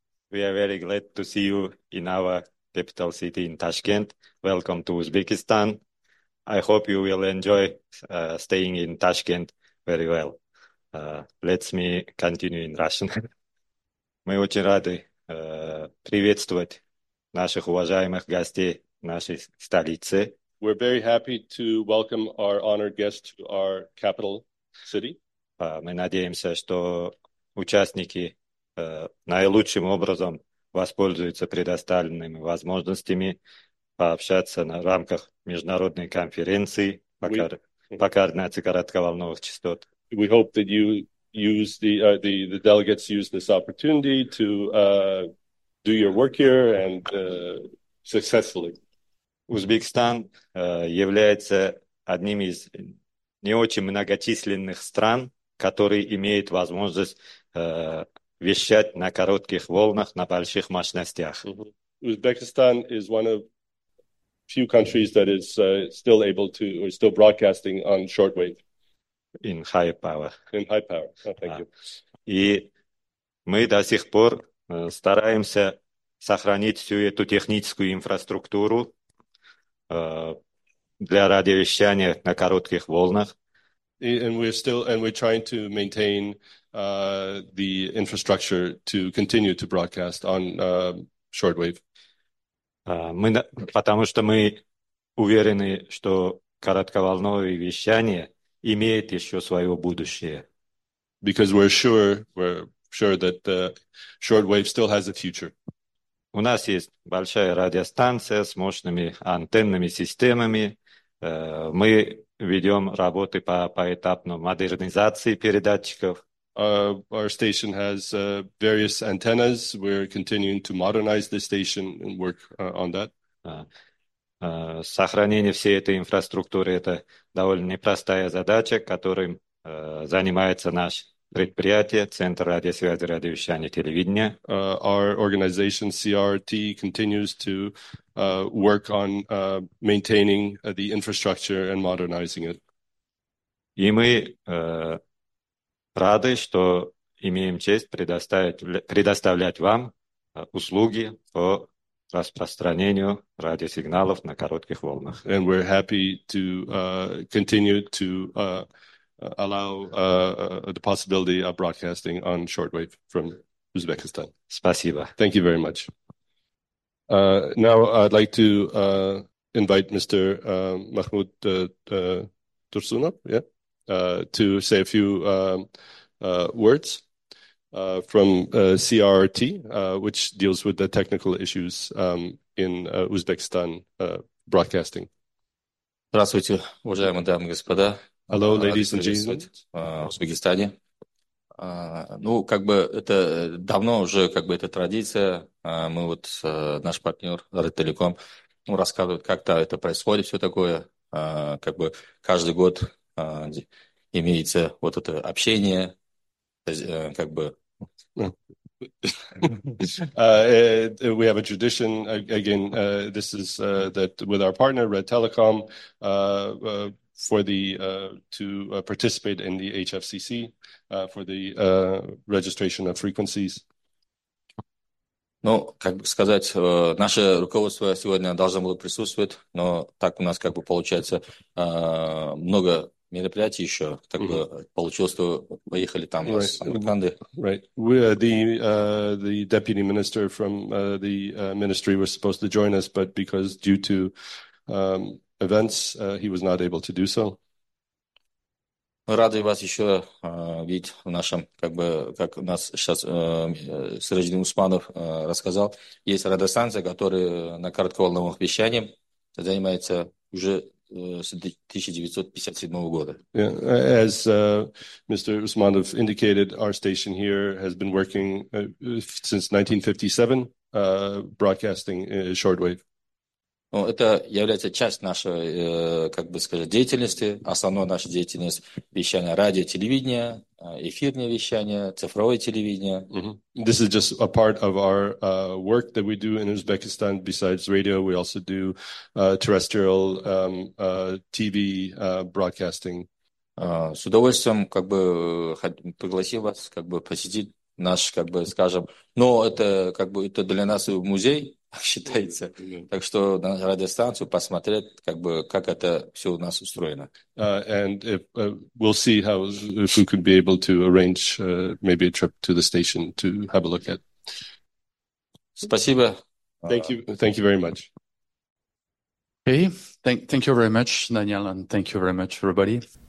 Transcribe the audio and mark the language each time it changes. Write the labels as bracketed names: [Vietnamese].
[English] We are very glad to see you in our capital city in Tashkent. Welcome to Uzbekistan. I hope you will enjoy staying in Tashkent very well. Let me continue in Russian. [Russian] Мы очень рады приветствовать наших уважаемых гостей нашей столицы. [English] We're very happy to welcome our honored guests to our capital city. [Russian] Мы надеемся, что участники наилучшим образом воспользуются предоставленными возможностями пообщаться на рамках международной конференции по координации коротковолновых частот. [English] We hope that you use the delegates use this opportunity to do your work here and successfully. [Russian] Узбекистан является одним из не очень многочисленных стран, которые имеют возможность вещать на коротких волнах на больших мощностях. [English] Узбекистан is one of few countries that is still able to or still broadcasting on shortwave. In high power. Oh, thank you. [Russian] И мы до сих пор стараемся сохранить всю эту техническую инфраструктуру для радиовещания на коротких волнах. [English] And we're trying to maintain the infrastructure to continue to broadcast on shortwave. [Russian] Потому что мы уверены, что коротковолновое вещание имеет еще свое будущее. [English] Because we're sure that the shortwave still has a future. [Russian] У нас есть большая радиостанция с мощными антенными системами. Мы ведем работы по поэтапной модернизации передатчиков. [English] Our station has various antennas. We're continuing to modernize the station and work on that. [Russian] Сохранение всей этой инфраструктуры — это довольно непростая задача, которой занимается наш предприятие, Центр радиосвязи, радиовещания, телевидения. [English] Our organization, CRRT, continues to work on maintaining the infrastructure and modernizing it. [Russian] И мы рады, что имеем честь предоставлять вам услуги по распространению радиосигналов на коротких волнах. [English] And we're happy to continue to allow the possibility of broadcasting on shortwave from Uzbekistan. [Russian] Спасибо. [English] Thank you very much. Now I'd like to invite Mr. Mahmoud Tursunov to say a few words from CRRT, which deals with the technical issues in Uzbekistan broadcasting. [Russian] Здравствуйте, уважаемые дамы и господа. [English] Hello, ladies and gentlemen. [Russian] В Узбекистане. Ну, как бы это давно уже как бы это традиция. Мы вот наш партнер Ritelecom рассказывает, как-то это происходит, все такое. Как бы каждый год имеется вот это общение, как бы. [English] We have a tradition again. This is that with our partner Ritelecom. For the to participate in the HFCC for the registration of frequencies. [Russian] Ну, как бы сказать, наше руководство сегодня должно было присутствовать, но так у нас как бы получается много мероприятий еще, так бы получилось, что поехали там с Самарканды. [English] Right. The deputy minister from the ministry was supposed to join us, but because due to events, he was not able to do so. [Russian] Рады вас еще видеть в нашем, как бы, как нас сейчас Сиражиддин Усманов рассказал, есть радиостанция, которая на коротковолновом вещании занимается уже с 1957 года. [English] Yeah, as Mr. Usmanov indicated, our station here has been working since 1957, broadcasting shortwave. [Russian] Ну, это является часть нашей, как бы сказать, деятельности, основной нашей деятельности, вещание радио, телевидение, эфирное вещание, цифровое телевидение. Mm-hmm. [English] This is just a part of our work that we do in Uzbekistan. Besides radio, we also do terrestrial TV broadcasting. [Russian] С удовольствием, как бы, пригласил вас, как бы, посетить наш, как бы, скажем, но это, как бы, это для нас музей, считается. Так что на радиостанцию посмотреть, как бы, как это все у нас устроено. [English] And if, we'll see how, if we could be able to arrange maybe a trip to the station to have a look at. [Russian] Спасибо. [English] Thank you very much. Hey, thank you very much, Daniel, and thank you very much, everybody.